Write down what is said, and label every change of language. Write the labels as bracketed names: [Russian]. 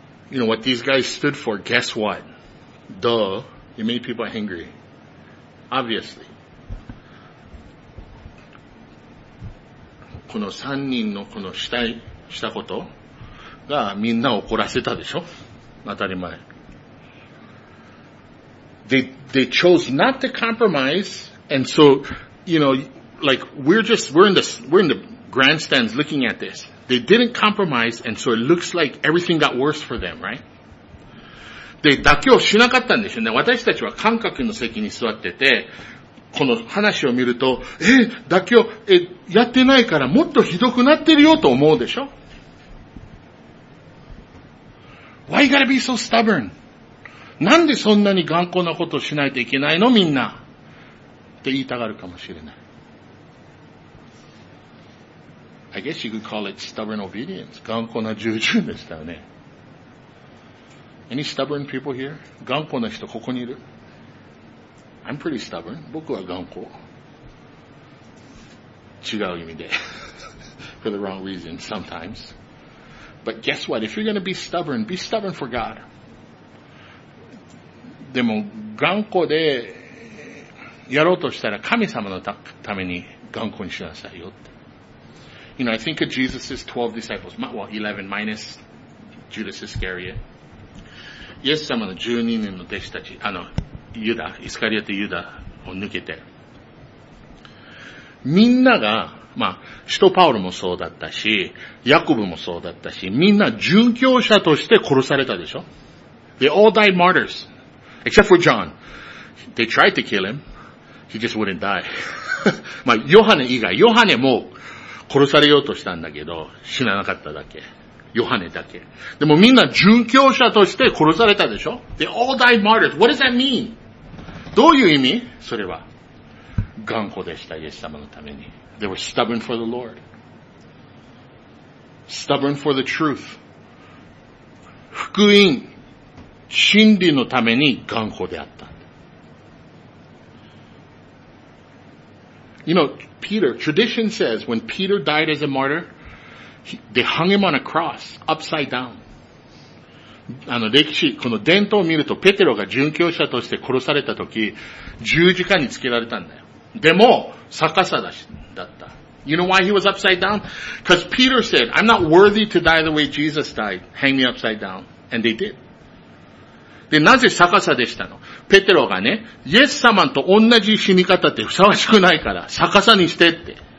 [English] You know what these guys stood for? Guess what? Duh. Many people are angry. Obviously. [Japanese] この三人のこのしたことがみんな怒らせたでしょ？当たり前。 [English] They chose not to compromise, and so, you know, like, we're in the grandstands looking at this. They didn't compromise, and so it looks like everything got worse for them, right? [Japanese] で、妥協しなかったんでしょうね。私たちは感覚の席に座ってて、この話を見ると、妥協、やってないからもっとひどくなってるよと思うでしょ？ [English] Why you gotta be so stubborn? [Japanese] なんでそんなに頑固なことをしないといけないのみんなって言いたがるかもしれない。 [English] I guess you could call it stubborn obedience. [Japanese] 頑固な従順でしたよね。 [English] Any stubborn people here? [Japanese] 頑固な人ここにいる？ [English] I'm pretty stubborn. [Japanese] 僕は頑固。違う意味で。 [English] For the wrong reason, sometimes. But guess what? If you're going to be stubborn for God. [Japanese] でも、頑固でやろうとしたら神様のために頑固にしなさいよって。 [English] you know, I think of Jesus' 12 disciples, well, 11 minus Judas Iscariot. [Japanese] イエス様の12人の弟子たち、あの、ユダ、イスカリオテユダを抜けて、みんなが、まあ、使徒パウロもそうだったし、ヤコブもそうだったし、みんな殉教者として殺されたでしょ ? [English] They all died martyrs, except for John. They tried to kill him, he just wouldn't die. [Japanese] まあ、ヨハネ以外、ヨハネも殺されようとしたんだけど、死ななかっただけ。ヨハネだけ。でもみんな殉教者として殺されたでしょ ? [English] They all died martyrs. What does that mean? [Japanese] どういう意味?それは。頑固でした、イエス様のために。 [English] They were stubborn for the Lord. Stubborn for the truth. [Japanese] 福音、真理のために頑固であった。 [English] You know, Peter, tradition says when Peter died as a martyr,They hung him on a cross, upside down. [Japanese] あの歴史、この伝統を見ると、ペテロが殉教者として殺されたとき、十字架につけられたんだよ。でも、逆さだし、だった。 [English] You know why he was upside down? Because Peter said, I'm not worthy to die the way Jesus died. Hang me upside down. And they did. [Japanese] で、なぜ逆さでしたの? ペテロがね、イエス様と同じ死に方ってふさわしくないから、逆さにしてって。